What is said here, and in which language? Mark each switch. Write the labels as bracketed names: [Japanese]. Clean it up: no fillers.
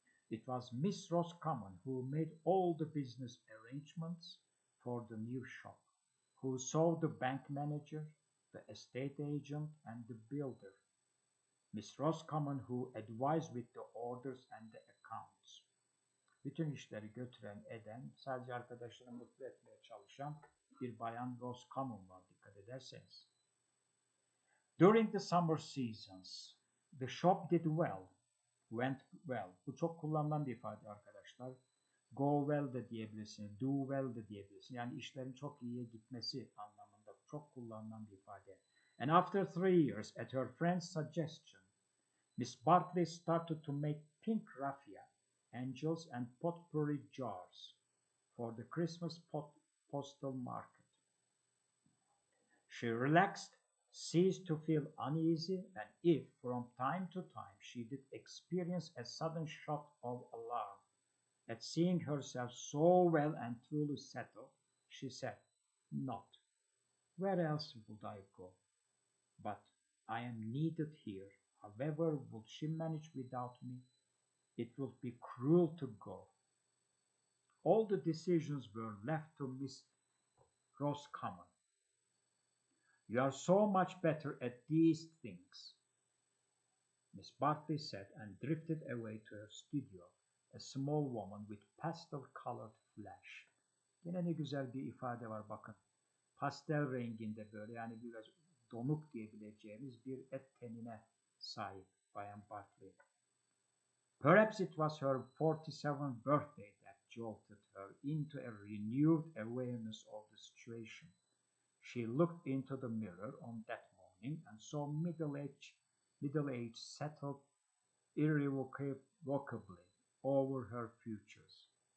[English] It was Miss Roscommon who made all the business arrangements for the new shop, who saw the bank manager, the estate agent, and the builder. Miss Roscommon who advised with the orders and the accounts. [Turkish] Bütün işleri götüren, eden, sadece arkadaşları mutlu etmeye çalışan bir bayan Roscommon var, dikkat ederseniz. [English] During the summer seasons, the shop did well, went well. [Turkish] Bu çok kullanılan bir ifade arkadaşlar. Go well de diyebilirsin, do well de diyebilirsin. Yani işlerin çok iyiye gitmesi anlamında çok kullanılan bir ifade. [English] And after 3 years, at her friend's suggestion, Miss Barclay started to make pink raffia, angels, and potpourri jars for the Christmas postal market. She relaxed, ceased to feel uneasy, and if, from time to time, she did experience a sudden shock of alarm at seeing herself so well and truly settled, she said, not. Where else would I go? But I am needed here. However, would she manage without me? It would be cruel to go. All the decisions were left to Miss Roscommon. You are so much better at these things, Miss Barclay said, and drifted away to her studio, a small woman with pastel-colored flesh. [Turkish] Yine ne güzel bir ifade var, bakın. Pastel renginde böyle, yani biraz donuk diyebileceğimiz bir et tenine sahip Bayan Barclay. [English] Perhaps it was her 47th birthday that jolted her into a renewed awareness of the situation. She looked into the mirror on that morning and saw middle age settled irrevocably over her futures.